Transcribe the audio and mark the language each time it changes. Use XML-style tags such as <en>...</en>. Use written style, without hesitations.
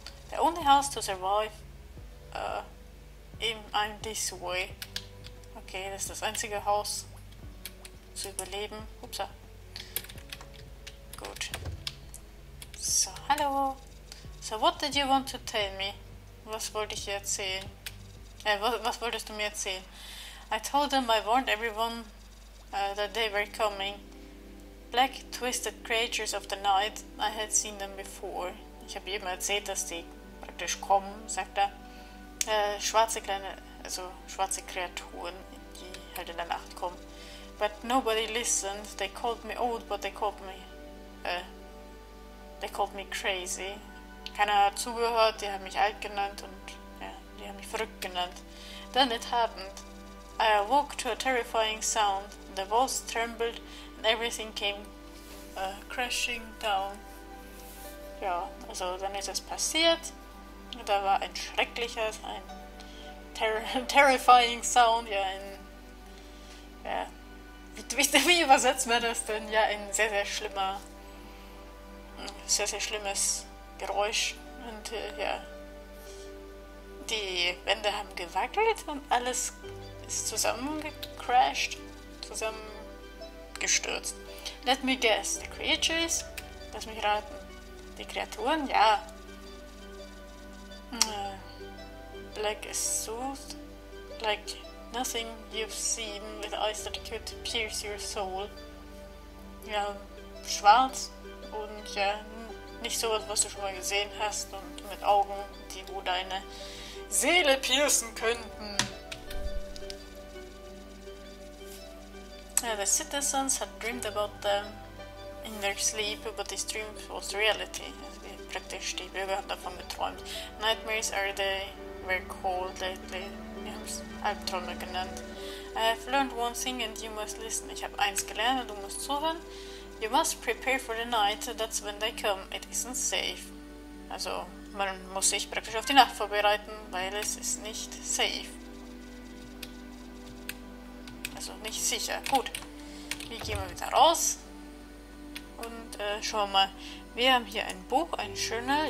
<en>The only house to survive in this way.</en> <de>Okay, das ist das einzige Haus zu überleben. Upsa. Gut. So, hallo.</de> <en>So, what did you want to tell me?</en> <de>Was wollte ich dir erzählen? Was wolltest du mir erzählen?</de> <en>I told them I warned everyone that they were coming. Black, twisted creatures of the night. I had seen them before.</en> <de>Ich habe jedem erzählt, dass die praktisch kommen, sagt er. Schwarze Kreaturen, die halt in der Nacht kommen.</de> <en>But nobody listened. They called me old, but they called me crazy.</en> <de>Keiner hat zugehört, die haben mich alt genannt und ja, die haben mich verrückt genannt.</de> <en>Then it happened. I awoke to a terrifying sound. The walls trembled and everything came crashing down.</en> <de>Ja, also dann ist es passiert. Da war ein schrecklicher, ein terrifying Sound, ja, ein, ja, wie übersetzt man das denn? Ja, ein sehr, sehr schlimmer, sehr, sehr schlimmes Geräusch und ja, die Wände haben gewackelt und alles ist zusammengecrashed, zusammengestürzt.</de> <en>Let me guess, the creatures,</en> <de>lass mich raten, die Kreaturen, ja.</de> <en>Black is soothed, like nothing you've seen with eyes that could pierce your soul.</en> <de>Ja, schwarz und ja, nicht sowas, was du schon mal gesehen hast und mit Augen, die wo deine Seele piercen könnten.</de> <en>Ja, the citizens had dreamed about them in their sleep, but this dream was reality.</en> <de>Praktisch die Bürger haben davon geträumt.</de> <en>Nightmares are they were called lately.</en> <de>Wir haben es Albträume genannt.</de> <en>I have learned one thing and you must listen.</en> <de>Ich habe eins gelernt und du musst zuhören.</de> <en>You must prepare for the night, that's when they come. It isn't safe.</en> <de>Also man muss sich praktisch auf die Nacht vorbereiten, weil es ist nicht safe. Also nicht sicher. Gut. Wir gehen mal wieder raus. Und schauen mal. Wir haben hier ein Buch, ein schöner.</de>